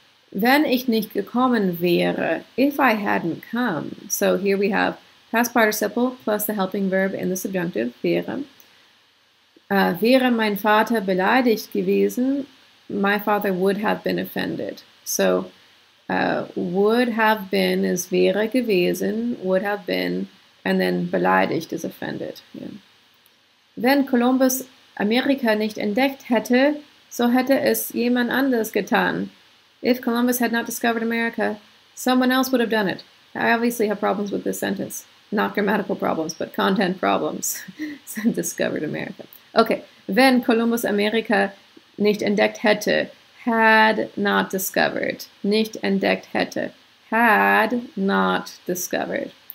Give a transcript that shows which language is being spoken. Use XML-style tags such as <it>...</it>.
<de>Wenn ich nicht gekommen wäre,</de> <en>if I hadn't come. So here we have past participle plus the helping verb in the subjunctive, wäre.</en> <de>Wäre mein Vater beleidigt gewesen,</de> <en>my father would have been offended. So, would have been is</en> <de>wäre gewesen,</de> <en>would have been, and then beleidigt is offended. Yeah.</en> <de>Wenn Columbus Amerika nicht entdeckt hätte, so hätte es jemand anders getan.</de> <en>If Columbus had not discovered America, someone else would have done it. I obviously have problems with this sentence. Not grammatical problems, but content problems. Discovered America.</en> <de>Okay, wenn Columbus Amerika nicht entdeckt hätte,</de> <en>had not discovered,</en> <de>nicht entdeckt hätte,</de> <en>had not discovered.</en>